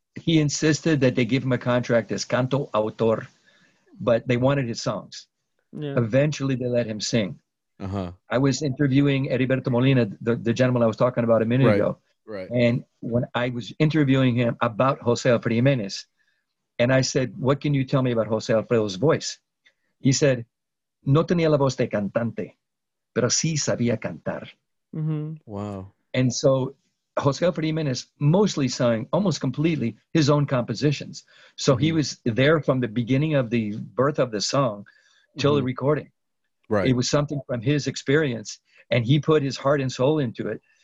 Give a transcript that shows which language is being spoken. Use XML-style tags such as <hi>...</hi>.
<en>He insisted that they give him a contract as canto autor, but they wanted his songs. Yeah. Eventually, they let him sing. Uh-huh. I was interviewing Heriberto Molina, the gentleman I was talking about a minute ago. Right. And when I was interviewing him about Jose Alfredo Jimenez, and I said, what can you tell me about Jose Alfredo's voice?</en> <es>He said, no tenía la voz de cantante, pero sí sabía cantar. Mm-hmm.</es> <en>Wow. And so Jose Alfredo Jimenez mostly sang, almost completely, his own compositions. So mm-hmm. he was there from the beginning of the birth of the song till mm-hmm. the recording. Right. It was something from his experience, and he put his heart and soul into it.</en>